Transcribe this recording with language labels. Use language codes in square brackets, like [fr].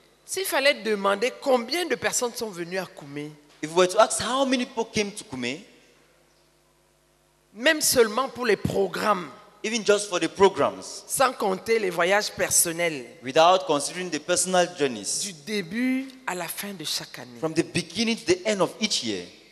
[fr] S'il fallait demander combien de personnes sont venues à Koumé. [en] If we were to ask how many people came to Koumé. [fr] Même seulement pour les programmes. [en] Even just for the programs. [fr] Sans compter les voyages personnels. [en] Without considering the personal journeys. [fr] Du début à la fin de chaque année. [en] From the beginning to the end of each year.